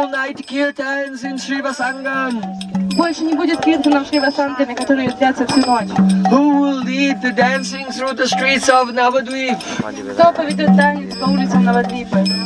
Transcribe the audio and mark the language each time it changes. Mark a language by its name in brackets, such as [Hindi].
[Russian] Больше не будет киртанов Шривасангами, которые длятся всю ночь. [English] Who will lead the dancing through the streets of Navadvip? [Russian] Кто поведет танец по улицам Навадвипа?